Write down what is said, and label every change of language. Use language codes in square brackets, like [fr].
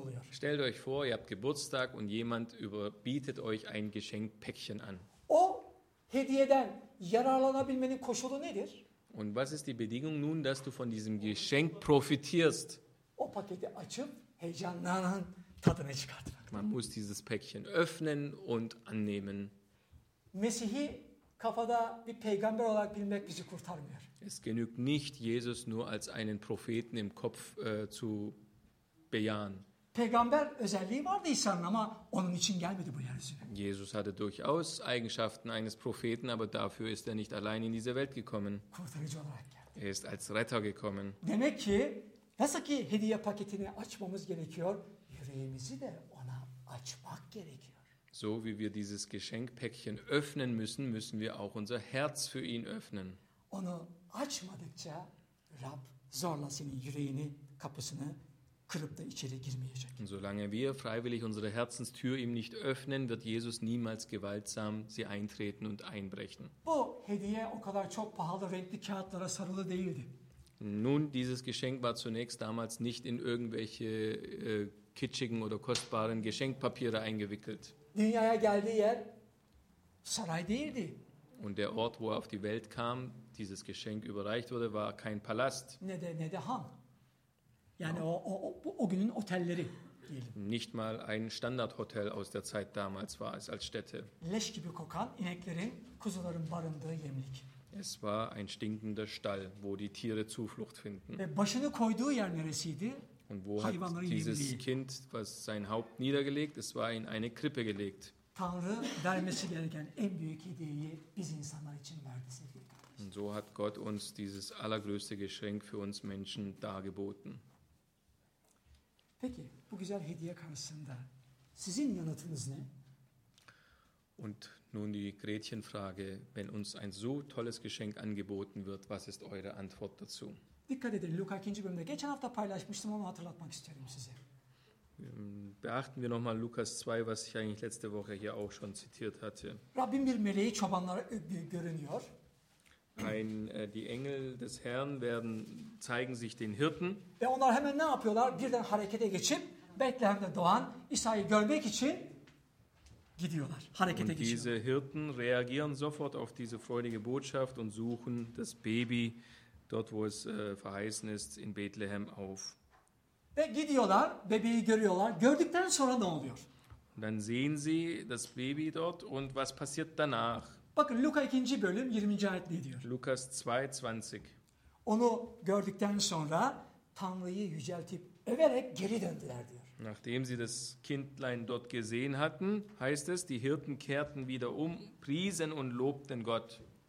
[de] Stellt euch vor, ihr habt Geburtstag und jemand überbietet euch ein Geschenkpäckchen an. [tr] O hediyeden yararlanabilmenin koşulu nedir? [de] Und was ist die Bedingung nun, dass du von diesem Geschenk profitierst? [tr] O paketi açıp heyecanlanan tadını çıkartmak. [de] Man muss dieses Päckchen öffnen und annehmen. [tr] Mesih'i kafada bir peygamber olarak bilmek bizi kurtarmıyor. [de] Es genügt nicht, Jesus nur als einen Propheten im Kopf zu beyan. [tr] Peygamber özelliği vardı İsa'nın ama onun için gelmedi bu yeryüzüne. [de] Jesus hatte durchaus Eigenschaften eines Propheten, aber dafür ist er nicht allein in diese Welt gekommen. [tr] Kurtarıcı olarak geldi. [de] Er ist als Retter gekommen. [tr] Demek ki nasıl ki hediye paketini açmamız gerekiyor, yüreğimizi de ona açmak gerekiyor. [de] So wie wir dieses Geschenkpäckchen öffnen müssen, müssen wir auch unser Herz für ihn öffnen. [tr] Onu açmadıkça Rab zorla senin yüreğini, kapısını kırıp da içeri girmeyecek. [de] Solange wir freiwillig unsere Herzenstür ihm nicht öffnen, wird Jesus niemals gewaltsam sie eintreten und einbrechen. [tr] Bu hediye o kadar çok pahalı renkli kağıtlara sarılı değildi. [de] Nun, dieses Geschenk war zunächst damals nicht in irgendwelche kitschigen oder kostbaren Geschenkpapiere eingewickelt. [tr] Dünyaya geldiği yer saray değildi. [de] Und der Ort, wo er auf die Welt kam, dieses Geschenk überreicht wurde, war kein Palast. [tr] Ne de han. Yani no. o günün otelleri diyelim. [de] Nicht mal ein Standardhotel aus der Zeit damals war es als Stätte. [tr] Leş gibi kokan ineklerin, kuzuların barındığı yemlik. [de] Es war ein stinkender Stall, wo die Tiere Zuflucht finden. [tr] Ve başını koyduğu yer neresiydi? [de] Und wo hat dieses Kind, was sein Haupt niedergelegt, es war in eine Krippe gelegt. [tr] Tanrı vermesi gereken en büyük hediyeyi biz insanlar için verdi sevgili kardeşim. [de] Und so hat Gott uns dieses allergrößte Geschenk für uns Menschen dargeboten. [tr] Peki, bu güzel hediye karşısında sizin yanıtınız ne? [de] Und nun die Gretchenfrage, wenn uns ein so tolles Geschenk angeboten wird, was ist eure Antwort dazu? [tr] Dikkat edin, Luka 2. bölümde geçen hafta paylaşmıştım ama hatırlatmak isterim size. [de] Beachten wir nochmal Lukas 2, was ich eigentlich letzte Woche hier auch schon zitiert hatte. [tr] Rabbin bir meleği çobanlara görünüyor. [de] Die Engel des Herrn werden zeigen sich den Hirten. [tr] Ve onlar hemen ne yapıyorlar? Birden harekete geçip Bethlehem'de doğan İsa'yı görmek için gidiyorlar. Harekete geçiyorlar. [de] Und diese Hirten reagieren sofort auf diese freudige Botschaft und suchen das Baby dort, wo es verheißen ist, in Bethlehem auf. [tr] Ve gidiyorlar, bebeği görüyorlar. Gördükten sonra ne oluyor? [de] Dann sehen sie das Baby dort und was passiert danach? [tr] Bakın Luka 2. bölüm 20. ayet ne diyor? [de] Lukas 2:20. [tr] Onu gördükten sonra Tanrı'yı yüceltip överek geri döndüler diyor. [de] Nachdem sie das Kindlein dort gesehen hatten, heißt es, die Hirten kehrten wieder um, priesen und lobten Gott.